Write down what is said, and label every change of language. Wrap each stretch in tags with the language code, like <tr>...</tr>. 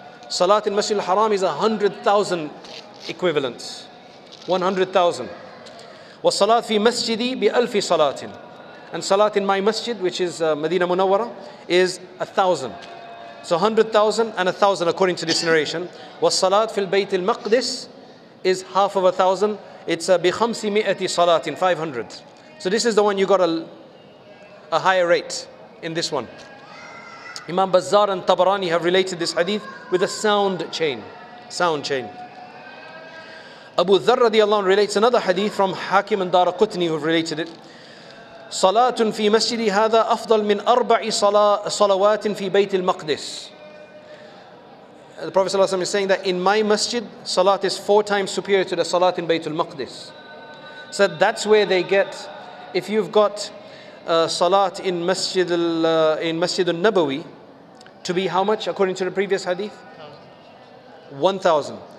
<en>Salat in masjid al-haram is 100,000 equivalents. 100,000.</en> <ar>Was-salat fi masjidi bi alfi salatin.</ar> <en>And salat in my masjid, which is Medina Munawwara, is 1,000. So 100,000 and 1,000 according to this narration.</en> <ar>وَالصَّلَاةِ فِي الْبَيْتِ الْمَقْدِسِ</ar> <en>is half of 1,000. It's</en> <ar>بِخَمْسِ مِئَةِ صَلَاةٍ 500.</ar> <en>So this is the one you got a higher rate in this one. Imam Bazzar and Tabarani have related this hadith with a sound chain. Sound chain. Abu Dharr radiallahu anhu relates another hadith from Hakim and Dara Qutni who have related it.</en> <ar>صلاة في مسجد هذا أفضل من أربع صلوات في بيت المقدس.</ar> <en>The Prophet</en> <ar>صلى الله عليه وسلم</ar> <en>is saying that in my masjid, salat is four times superior to the salat in Baytul Maqdis. So that's where they get, if you've got salat in Masjid al-Nabawi to be how much according to the previous hadith? 1,000.</en>